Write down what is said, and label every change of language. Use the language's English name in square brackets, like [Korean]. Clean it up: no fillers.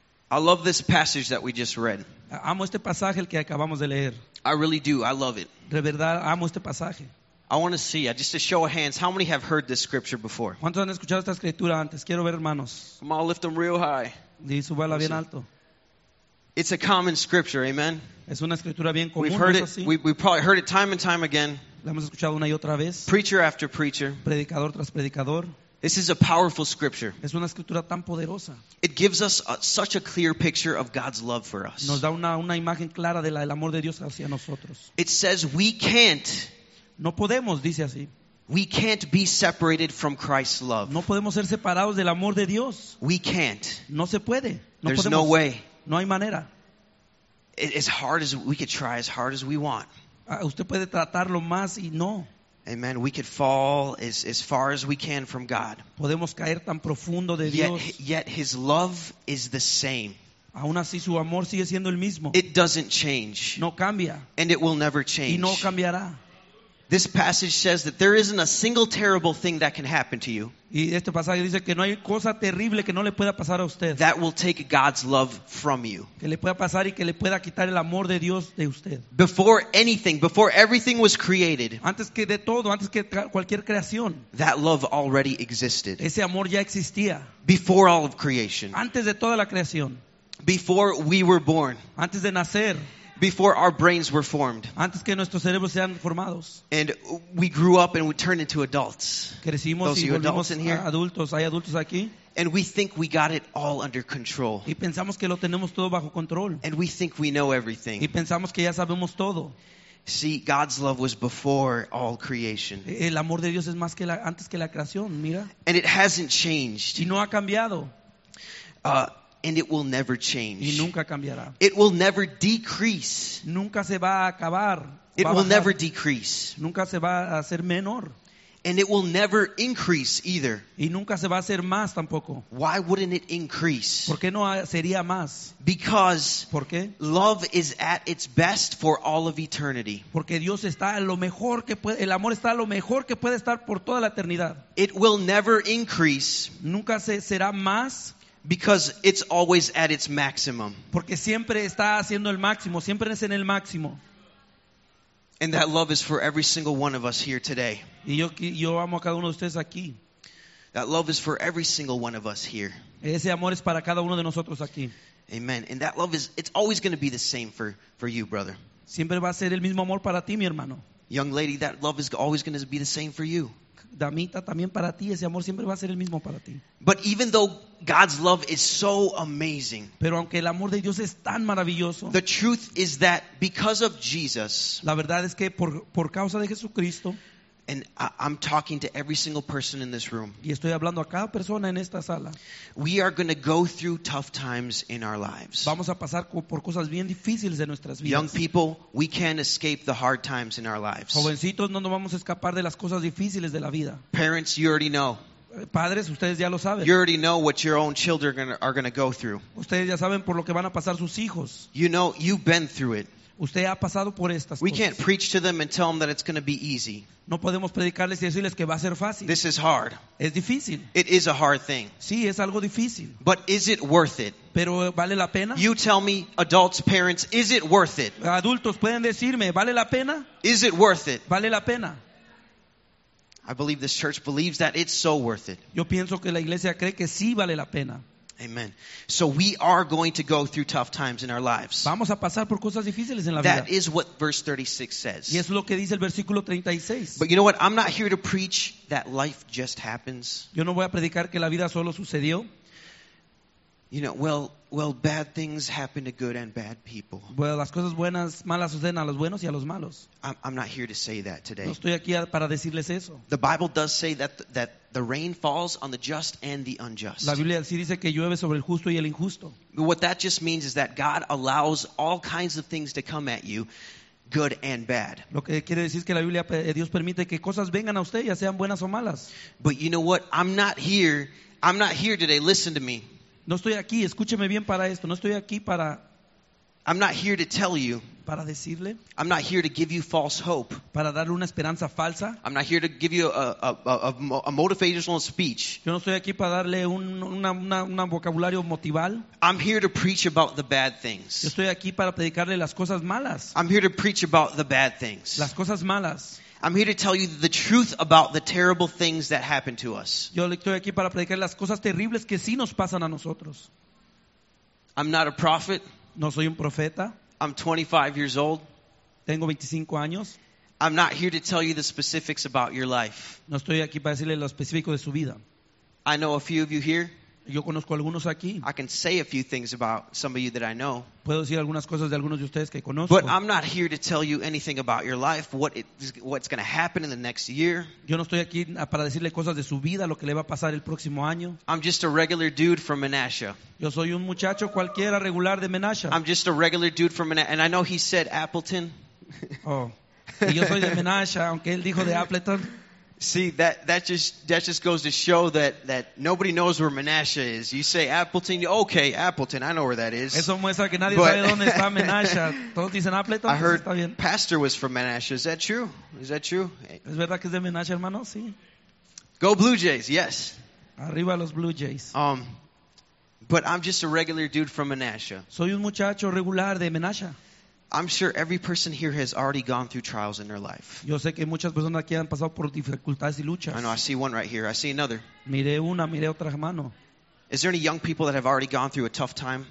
[English] I love this passage that we just read. [Spanish] Amo este pasaje el que acabamos de leer. [English] I really do. I love it. [Spanish] De verdad, amo este pasaje. [English] I want to see, just a show of hands, how many have heard this scripture before? [Spanish] ¿Cuántos han escuchado esta escritura antes? Quiero ver, hermanos. [English] Come on, lift them real high. [Spanish] Y súbala bien alto. [English] It's a common scripture, amen? [Spanish] Es una escritura bien común, [English] we've heard [Spanish] ¿no es así? [English] It. We probably heard it time and time again. [Spanish] La hemos escuchado una y otra vez. [English] Preacher after preacher. [Spanish] Predicador tras predicador. [English] This is a powerful scripture. [Spanish] Es una escritura tan poderosa. [English] It gives us such a clear picture of God's love for us. [Spanish] Nos da una imagen clara de el amor de Dios hacia nosotros. [English] It says we can't. [Spanish] No podemos, dice así. [English] We can't be separated from Christ's love. [Spanish] No podemos ser separados del amor de Dios. [English] We can't. [Spanish] No se puede. No [English] There's [Spanish] podemos. [English] No way. [Spanish] No hay manera. [English] As hard as we could try, as hard as we want. [Spanish] Usted puede tratarlo más y no. [English] Amen. We could fall as far as we can from God. [Spanish] Podemos caer tan profundo de [English] yet, [Spanish] Dios. [English] Yet His love is the same. [Spanish] Aún así, su amor sigue siendo el mismo. [English] It doesn't change. [Spanish] No cambia. [English] And it will never change. [Spanish] Y no cambiará. [English] This passage says that there isn't a single terrible thing that can happen to you. [Spanish] Y este pasaje dice que no hay cosa terrible que no le pueda pasar a usted. [English] That will take God's love from you. [Spanish] Que le pueda pasar y que le pueda quitar el amor de Dios de usted. [English] Before anything, before everything was created. [Spanish] Antes que de todo, antes que cualquier creación. [English] That love already existed. [Spanish] Ese amor ya existía. [English] Before all of creation. [Spanish] Antes de toda la creación. [English] Before we were born. [Spanish] Antes de nacer. [English] Before our brains were formed. [Spanish] Antes que nuestros cerebros sean formados. [English] And we grew up and we turned into adults. [Spanish] Crecimos [English] Those [Spanish] y [English] you adults in here. [Spanish] Adultos. ¿Hay adultos aquí? [English] And we think we got it all under control. [Spanish] Y pensamos que lo tenemos todo bajo control. [English] And we think we know everything. [Spanish] Y pensamos que ya sabemos todo. [English] See, God's love was before all creation. [Spanish] El amor de Dios es más que antes que la creación, mira. [English] And it hasn't changed. [Spanish] Y no ha cambiado. [English] And it will never change. [Spanish] Y nunca cambiará. [English] It will never decrease. [Spanish] Nunca se va a acabar. [English] It will never decrease. [Spanish] Nunca se va a hacer menor. [English] And it will never increase either. [Spanish] Y nunca se va a hacer más tampoco. [English] Why wouldn't it increase? [Spanish] ¿Por qué no sería más? [English] Because [Spanish] ¿por qué? [English] Love is at its best for all of eternity. [Spanish] Porque Dios está a lo mejor que puede, el amor está a lo mejor que puede estar por toda la eternidad. [English] It will never increase. [Spanish] Nunca se será más. [English] Because it's always at its maximum. [Spanish] Porque siempre está haciendo el máximo, siempre es en el máximo. [English] And that love is for every single one of us here today. [Spanish] Y yo amo a cada uno de ustedes aquí. [English] That love is for every single one of us here. [Spanish] Ese amor es para cada uno de nosotros aquí. [English] Amen. And that love is—it's always going to be the same for you, brother. [Spanish] Siempre va a ser el mismo amor para ti, mi hermano. [English] Young lady, that love is always going to be the same for you. [Spanish] Damita, también para ti ese amor siempre va a ser el mismo para ti. [English] But even though God's love is so amazing, [Spanish] pero aunque el amor de Dios es tan maravilloso, [English] the truth is that because of Jesus, [Spanish] la verdad es que por causa de Jesucristo. [English] And I'm talking to every single person in this room. [Spanish] Y estoy hablando a cada persona en esta sala. [English] We are going to go through tough times in our lives. [Spanish] Vamos a pasar por cosas bien difíciles de nuestras vidas. [English] Young people, we can't escape the hard times in our lives. [Spanish] Jovencitos, no nos vamos a escapar de las cosas difíciles de la vida. [English] Parents, you already know. [Spanish] Padres, ustedes ya lo saben. [English] You already know what your own children are going to go through. [Spanish] Ustedes ya saben por lo que van a pasar sus hijos. [English] You know, you've been through it. [Spanish] Usted ha pasado por estas cosas. [English] We can't preach to them and tell them that it's going to be easy. [Spanish] No podemos predicarles y decirles que va a ser fácil. [English] This is hard. [Spanish] Es difícil. [English] It is a hard thing. [Spanish] Sí, es algo difícil. [English] But is it worth it? [Spanish] Pero ¿vale la pena? [English] You tell me, adults, parents, is it worth it? [Spanish] Adultos, pueden decirme, ¿vale la pena? [English] Is it worth it? [Spanish] ¿Vale la pena? [English] I believe this church believes that it's so worth it. [Spanish] Yo pienso que la iglesia cree que sí vale la pena. [English] Amen. So we are going to go through tough times in our lives. [Spanish] Vamos a pasar por cosas difíciles en la vida. [English] That is what verse 36 says. [Spanish] Y eso es lo que dice el versículo 36. [English] But you know what? I'm not here to preach that life just happens. [Spanish] Yo no voy a predicar que la vida solo sucedió. [English] You know, well, bad things happen to good and bad people. [Spanish] Bueno, las cosas buenas, malas suceden a los buenos y a los malos. [English] I'm not here to say that today. [Spanish] No estoy aquí para decirles eso. [English] The Bible does say that the rain falls on the just and the unjust. [Spanish] La Biblia sí dice que llueve sobre el justo y el injusto. [English] But what that just means is that God allows all kinds of things to come at you, good and bad. [Spanish] Lo que quiere decir es que la Biblia, Dios permite que cosas vengan a usted, ya sean buenas o malas. [English] But you know what? I'm not here today. Listen to me. [Spanish] No estoy aquí, escúcheme bien para esto. No estoy aquí para [English] I'm not here to tell you. [Spanish] Para decirle. [English] I'm not here to give you false hope. [Spanish] Para darle una esperanza falsa. [English] I'm not here to give you a motivational speech. [Spanish] Yo no estoy aquí para darle un vocabulario motival. [English] I'm here to preach about the bad things. [Spanish] Yo estoy aquí para predicarle las cosas malas. [English] I'm here to preach about the bad things. [Spanish] Las cosas malas. [English] I'm here to tell you the truth about the terrible things that happen to us. [Spanish] Yo estoy aquí para predicar las cosas terribles que sí nos pasan a nosotros. [English] I'm not a prophet. [Spanish] No soy un profeta. [English] I'm 25 years old. [Spanish] Tengo 25 años. [English] I'm not here to tell you the specifics about your life. [Spanish] No estoy aquí para decirle lo específico de su vida. [English] I know a few of you here. [Spanish] Yo conozco algunos aquí. [English] I can say a few things about some of you that I know. [Spanish] Puedo decir algunas cosas de algunos de ustedes que conozco. [English] But I'm not here to tell you anything about your life, what's going to happen in the next year. [Spanish] Yo no estoy aquí para decirle cosas de su vida, lo que le va a pasar el próximo año. [English] I'm just a regular dude from Menasha. [Spanish] Yo soy un muchacho cualquiera regular de Menasha. [English] I'm just a regular dude from Menasha. And I know he said Appleton. Oh. [Spanish] Y yo soy de Menasha, aunque él dijo de Appleton. [English] See, that just goes to show that nobody knows where Menasha is. You say Appleton, okay, Appleton, I know where that is. [Spanish] Eso muestra que nadie sabe dónde está Menasha. Todos dicen Appleton. [English] I heard Pastor was from Menasha. Is that true? Is that true? [Spanish] ¿Es verdad que es de Menasha, hermano? Sí. [English] Go Blue Jays, yes. [Spanish] Arriba los Blue Jays. [English] But I'm just a regular dude from Menasha. [Spanish] Soy un muchacho regular de Menasha. [English] I'm sure every person here has already gone through trials in their life. [Spanish] Yo sé que muchas personas aquí han pasado por dificultades y luchas. [English] I know, I see one right here. I see another. [Spanish] Miré una, miré otra mano. [English] Is there any young people that have already gone through a tough time?